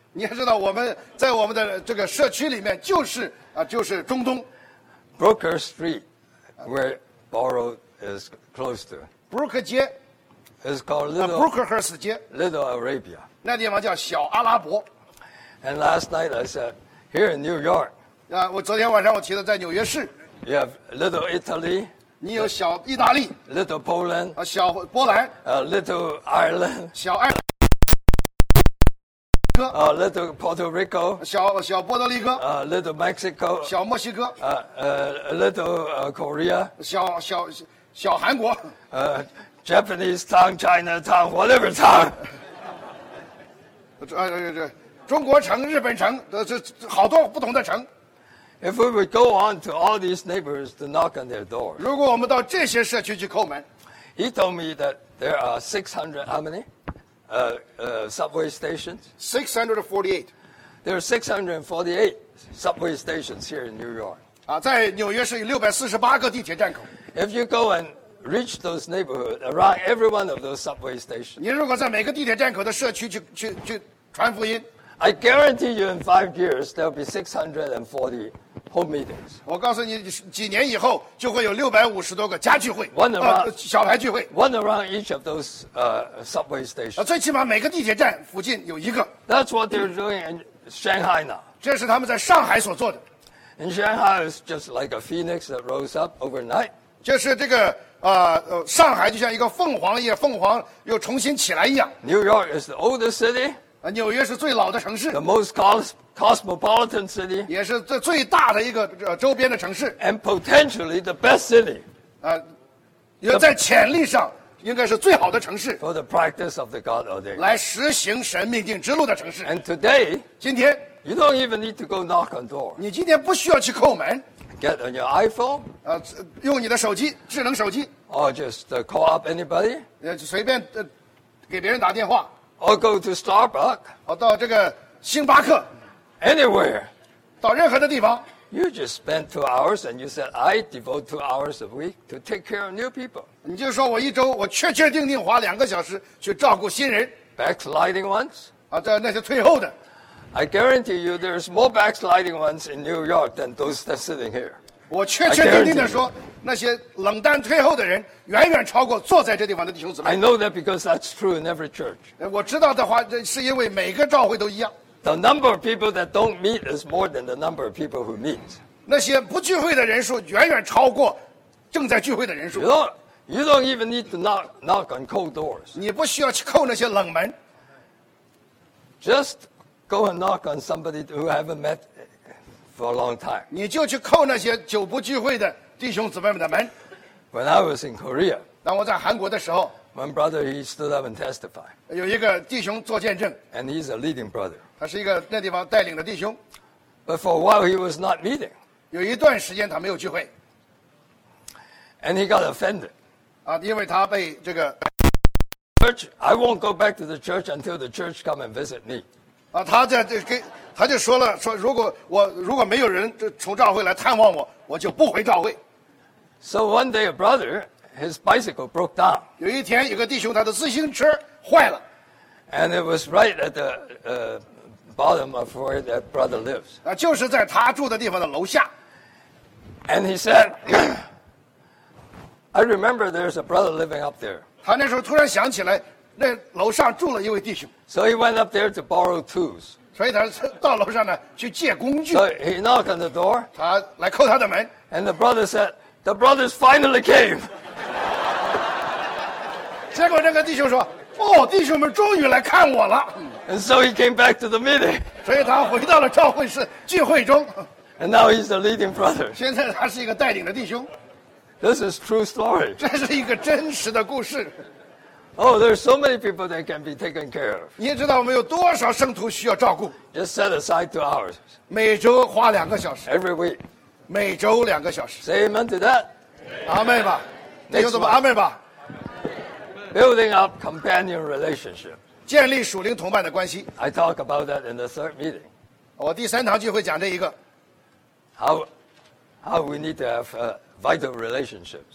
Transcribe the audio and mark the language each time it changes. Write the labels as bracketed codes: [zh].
[zh] 你也知道我们在我们的这个社区里面就是中东。 [en] Brooker Street, where Borough is close to. [zh] Brooker 街。 [en] It's called Little. [zh] Brookerhurst 街。 [en] Little Arabia. [zh] 那地方叫小阿拉伯。 [en] And last night I said, here in New York. [zh] 我昨天晚上我提到在纽约市。 [en] You have Little Italy. [zh] 你有小意大利 [en] ，little Poland， [zh] 啊，小波兰 [en] ，little Ireland， [zh] 小爱尔兰，哥， [en] 啊 ，little Puerto Rico， [zh] 小波多黎各， [en] 啊 ，little Mexico， [zh] 小墨西哥， [en] 啊，little Korea， [zh] 小韩国， [en] Japanese town， China town， whatever town， [zh] 这中国城、日本城，这好多不同的城。 [en] If we would go on to all these neighbors to knock on their door, [zh] 如果我们到这些社区去叩门 [en] he told me that there are 600 how many, subway stations. 648. There are 648 subway stations here in New York. [zh] 啊，在纽约是648个地铁站口。 [en] If you go and reach those neighborhoods around every one of those subway stations, [zh] 你如果在每个地铁站口的社区去传福音。 [en] I guarantee you, in 5 years, there'll be 640 home meetings. [zh] 我告诉你，几年以后就会有650多个家聚会 [en] ，one around [zh] 小孩聚会 [en] ，one around each of those subway stations. [zh] 最起码每个地铁站附近有一个。 [en] That's what they're doing in Shanghai now. [zh] 这是他们在上海所做的。 [en] In Shanghai, it's just like a phoenix that rose up overnight. [zh] 就是这个上海就像一个凤凰一样，凤凰又重新起来一样。 [en] New York is the oldest city. [zh] 纽约是最老的城市 [en] ，the most cosmopolitan city， [zh] 也是最大的一个周边的城市 [en] ，and potentially the best city， [zh] 也在潜力上应该是最好的城市 [en] ，for the practice of the God ordained， [zh] 来实行神命定之路的城市 [en] ，and today， [zh] 今天 [en] ，you don't even need to go knock on door， [zh] 你今天不需要去叩门 [en] ，get on your iPhone， [zh] 用你的手机，智能手机 [en] ，or just call up anybody， [zh] 随便给别人打电话。 [en] Or go to Starbucks. [zh] 我到这个星巴克 [en] Anywhere. [zh] 到任何的地方 [en] You just spend 2 hours, and you said I devote 2 hours a week to take care of new people. [zh] 你就说我一周我确确定定花2个小时去照顾新人 [en] Backsliding ones. [zh] 在那些退后的 [en] I guarantee you, there's more backsliding ones in New York than those that sitting here. [zh] 我确确定定的说，那些冷淡退后的人。远远超过坐在这地方的弟兄姊妹。 [en] I know that because that's true in every church. [zh] 我知道的话，这是因为每个召会都一样。 [en] The number of people that don't meet is more than the number of people who meet. [zh] 那些不聚会的人数远远超过正在聚会的人数。 [en] You don't even need to knock on cold doors. [zh] 你不需要去叩那些冷门。 [en] Just go and knock on somebody who haven't met for a long time. [zh] 你就去叩那些久不聚会的弟兄姊妹们的门。 [en] When I was in Korea, [zh] 当我在韩国的时候 [en] ，My brother he stood up and testified. [zh] 有一个弟兄做见证。 [en] And he's a leading brother. [zh] 他是一个那地方带领的弟兄。 [en] But for a while he was not meeting. [zh] 有一段时间他没有聚会。 [en] And he got offended. [zh] 啊，因为他被这个 [en] church, I won't go back to the church until the church come and visit me. [zh] 啊，他在这给他就说了说如果没有人从教会来探望我，我就不回教会。 [en] So one day, a brother, his bicycle broke down. [zh] 有一天，一个弟兄他的自行车坏了。 [en] And it was right at the bottom of where that brother lives. [zh] 啊，就是在他住的地方的楼下。 [en] And he said, "I remember there's a brother living up there." [zh] 他那时候突然想起来，那楼上住了一位弟兄。 [en] So he went up there to borrow tools. [zh] 所以他到楼上呢去借工具。 [en] So he knocked on the door. [zh] 他来叩他的门。 [en] And the brother said. The brothers finally came. [zh] 结果那个弟兄说：“哦，弟兄们终于来看我了。” [en] And so he came back to the meeting. [zh] 所以他回到了召会室聚会中。 [en] And now he's the leading brother. [zh] 现在他是一个带领的弟兄。 [en] This is true story. [zh] 这是一个真实的故事。 [en] Oh, there are so many people that can be taken care of. [zh] 你知道我们有多少圣徒需要照顾 [en] ？Just set aside 2 hours. [zh] 每周花两个小时。 [en] Every week. [zh] 每周两个小时。 [en] Say amen to that. [zh] 阿妹吧，你就这么阿妹吧。 [en] Building up companion relationship. [zh] 建立属灵同伴的关系。 [en] I talk about that in the third meeting. [zh] 我第三堂聚会讲这一个。 [en] How we need to have vital relationships.